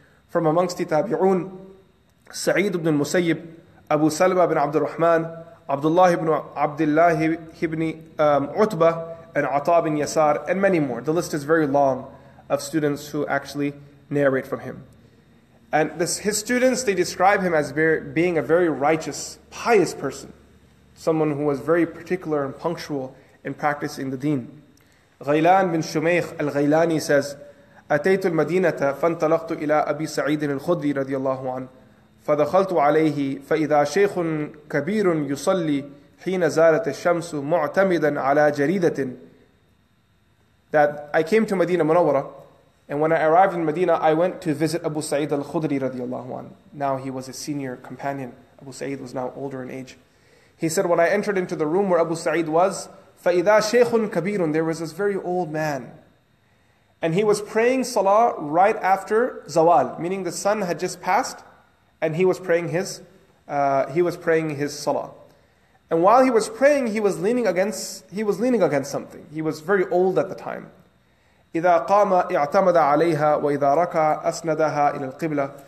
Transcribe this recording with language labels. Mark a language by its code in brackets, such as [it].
[en] From amongst the Tabi'un, Sa'id ibn Musayyib, Abu Salama ibn Abdul Rahman, Abdullah ibn Abdullah ibn Utbah, and Ata ibn Yasar, and many more. The list is very long of students who actually narrate from him. And this, his students, they describe him as being a very righteous, pious person, someone who was very particular and punctual in practicing the deen. Ghailan bin Shumaykh al-Ghailani says, [ar] أتيت المدينة فانطلقت إلى أبي سعيد الخدري رضي الله عنه فدخلت عليه فإذا شيخ كبير يصلي حين زالت الشمس معتمدا على جريدة. [en] That I came to Medina Munawwara, and when I arrived in Medina, I went to visit Abu Sa'id al-Khudri رضي الله عنه. Now he was a senior companion. Abu Sa'id was now older in age. He said, when I entered into the room where Abu Sa'id was, [ar] فإذا شيخ كبير, [en] there was this very old man. And he was praying salah right after zawal, meaning the sun had just passed, and he was praying his salah. And while he was praying, he was leaning against something. He was very old at the time. [ar] إذا قام اعتمد عليها وإذا ركع أسندها إلى القبلة.